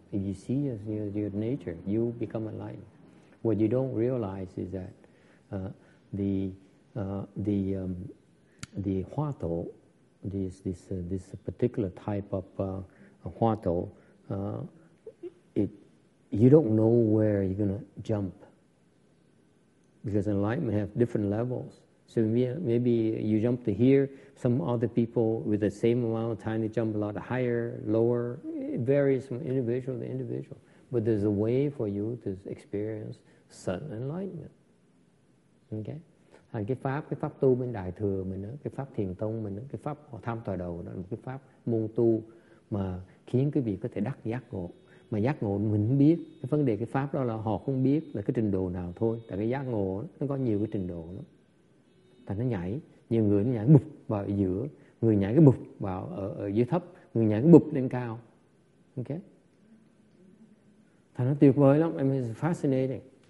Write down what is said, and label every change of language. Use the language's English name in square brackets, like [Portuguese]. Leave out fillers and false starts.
[English] If you see your nature, you become enlightened. What you don't realize is that the hoa tổ, this particular type of hoa tổ, you don't know where you're going to jump, because enlightenment have different levels. So maybe you jump to here, some other people with the same amount of time, they jump a lot higher, lower. It varies from individual to individual. But there's a way for you to experience sudden enlightenment. Okay? [Vietnamese] Thành cái pháp tu bên Đại Thừa mình, cái pháp thiền tông mình, cái pháp tham tòa đầu, đó là cái pháp môn tu mà khiến quý vị có thể đắc giác ngộ. Mà giác ngộ mình không biết, cái vấn đề cái pháp đó là họ không biết là cái trình độ nào thôi. Tại cái giác ngộ nó có nhiều cái trình độ lắm. Tại nó nhảy, nhiều người nó nhảy bụp vào ở giữa, người nhảy cái bụp vào ở dưới thấp, người nhảy cái bụp lên cao. [English] Ok? [Vietnamese] Thành nó tuyệt vời lắm, [English] I mean, it's fascinating.